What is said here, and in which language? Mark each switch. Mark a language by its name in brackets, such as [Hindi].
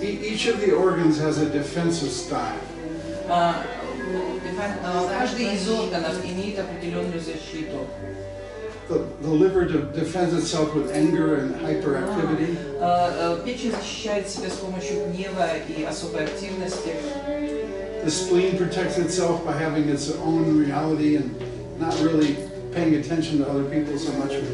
[English] Each of the organs has a defensive style. [Russian] Каждый из органов имеет определенную защиту. [English] The liver defends itself with anger and hyperactivity. [Russian] Печень защищает себя с помощью гнева и особой активности. [English] The spleen protects itself by having its own reality and not really paying attention to other people so much.